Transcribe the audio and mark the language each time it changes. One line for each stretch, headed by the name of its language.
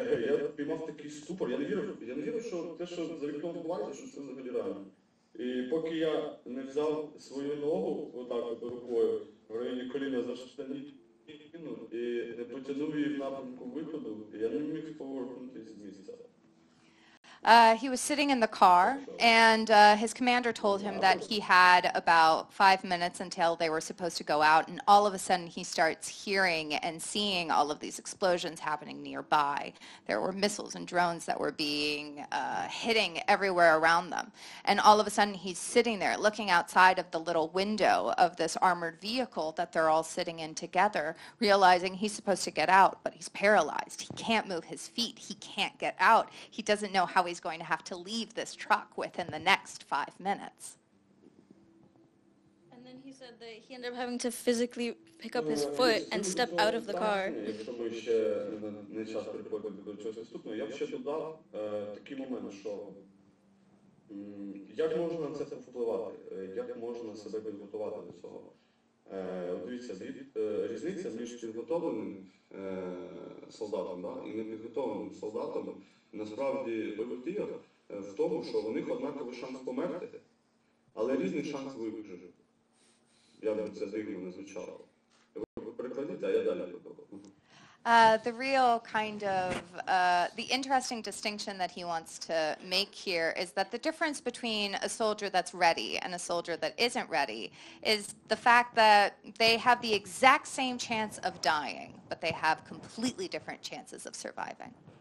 Ukrainian: Я піймав такий ступор, я не вірив, що те, що за вікном відбувається, що це взагалі реально. І поки я не взяв свою ногу отак от рукою в районі коліна за штані, і не потянув її в напрямку виходу, я не міг повернутися з місця.
English: He was sitting in the car, and his commander told him that he had about 5 minutes until they were supposed to go out, and all of a sudden he starts hearing and seeing all of these explosions happening nearby. There were missiles and drones that were being hitting everywhere around them. And all of a sudden he's sitting there looking outside of the little window of this armored vehicle that they're all sitting in together, realizing he's supposed to get out, but he's paralyzed. He can't move his feet. He can't get out. He doesn't know how he's going to have to leave this truck within the next 5 minutes. And then he said that he ended up having to physically pick up his foot and step out of the car.
Ukrainian: Якщо ми ще не час переходимо до чогось наступного, я б ще додав такий момент, що як можна на це впливати, як можна себе підготувати до цього. Дивіться, різниця між підготовленим солдатом і непідготовленим солдатом. Насправді, вибухтія в тому, що у них однаковий шанс померти, але різний шанс вижити. Я б це дивно не звучало. Ви перекладіть, а я далі додав.
English: The real kind of, the interesting distinction that he wants to make here is that the difference between a soldier that's ready and a soldier that isn't ready is the fact that they have the exact same chance of dying, but they have completely different chances of surviving.